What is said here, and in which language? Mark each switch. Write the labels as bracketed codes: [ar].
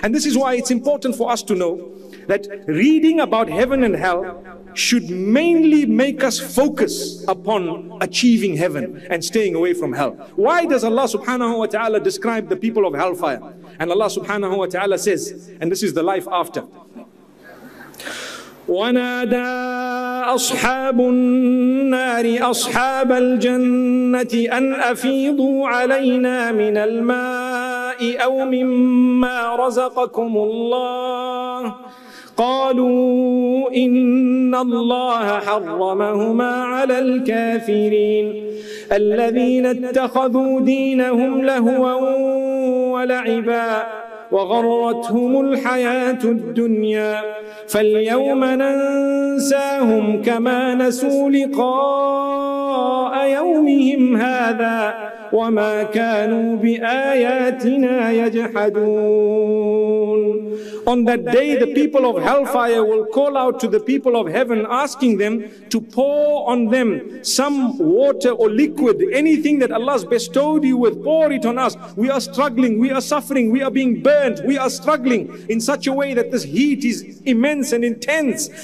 [en] And this is why it's important for us to know that reading about heaven and hell should mainly make us focus upon achieving heaven and staying away from hell. Why does Allah subhanahu wa ta'ala describe the people of hellfire? And Allah subhanahu wa ta'ala says, and this is the life after. [ar] وَنَادَى أَصْحَابُ النَّارِ أَصْحَابَ الْجَنَّةِ أَنْ أَفِيضُوا عَلَيْنَا مِنَ الْمَاءِ أَوْ مِمَّا رَزَقَكُمُ اللَّهِ قَالُوا إِنَّ اللَّهَ حَرَّمَهُمَا عَلَى الْكَافِرِينَ الَّذِينَ اتَّخَذُوا دِينَهُمْ لَهُوًا وَلَعِبًا وغرتهم الحياة الدنيا فاليوم ننساهم كما نسوا لقاء يومهم هذا وما كانوا بآياتنا يجحدون. [en] On that day, the people of hellfire will call out to the people of heaven, asking them to pour on them some water or liquid, anything that Allah's bestowed you with, pour it on us. We are struggling, we are suffering, we are being burnt, we are struggling in such a way that this heat is immense and intense.